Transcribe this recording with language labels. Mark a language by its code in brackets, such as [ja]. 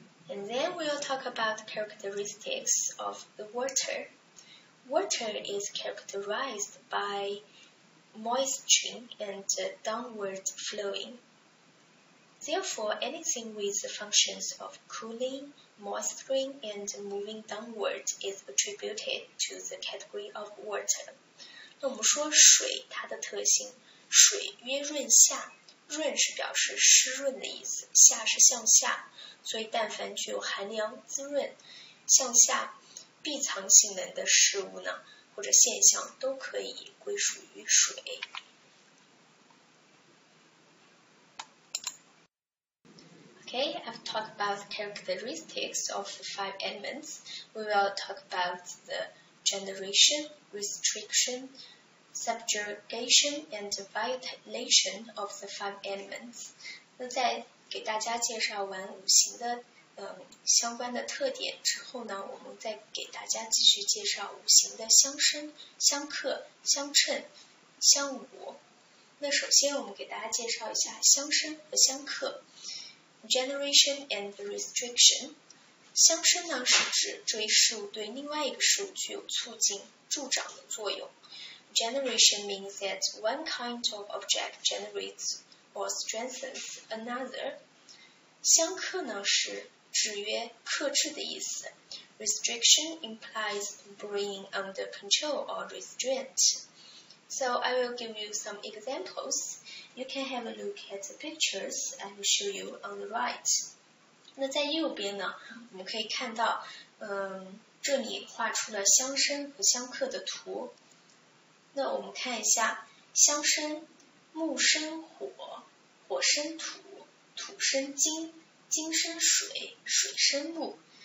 [en] And then we'll talk about the characteristics of the water. Water is characterized by moisturing and downward flowing. Therefore, anything with the functions of cooling, moisturing, and moving downward is attributed to the category of water. [zh] 那我们说水它的特性，水曰润下，润是表示湿润的意思，下是向下，所以但凡具有寒凉、滋润、向下、闭藏性能的事物呢，或者现象都可以归属于水。 [en] Okay, I've talked about the characteristics of the five elements. We will talk about the generation, restriction, subjugation, and violation of the five elements. [zh] 那在给大家介绍完五行的相关的特点之后呢，我们再给大家继续介绍五行的相生、相克、相称、相侮。那首先我们给大家介绍一下相生和相克。 [en] Generation and restriction. [zh] 相生呢是指这一事物对另外一个事物具有促进、助长的作用。 [en] Generation means that one kind of object generates or strengthens another. [zh] 相克呢是制约、克制的意思。 [en] Restriction implies bringing under control or restraint. So I will give you some examples. You can have a look at the pictures I will show you on the right. [zh] 那在右边呢，我们可以看到，这里画出了相生和相克的图。那我们看一下，相生，木生火，火生土，土生金，金生水，水生木。